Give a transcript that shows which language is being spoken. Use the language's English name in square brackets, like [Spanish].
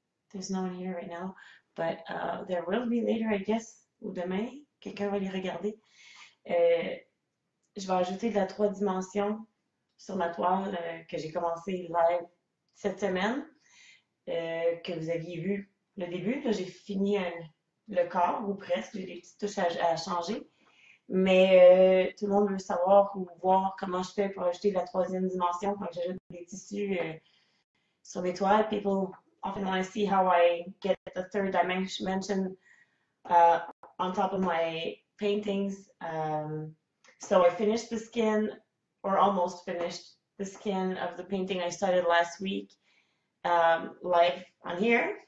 [English] There's no one here right now, but there will be later, I guess, [French] ou demain. Quelqu'un va les regarder. Je vais ajouter de la trois dimensions sur ma toile que j'ai commencé live cette semaine, que vous aviez vu le début. Là, j'ai fini le corps, ou presque. J'ai des petites touches à changer. Mais tout le monde veut savoir ou voir comment je fais pour ajouter la troisième dimension quand j'ajoute des tissus sur des toiles. [English] People often want to see how I get the third dimension on top of my paintings. So I finished the skin, or almost finished the skin of the painting I started last week live on here.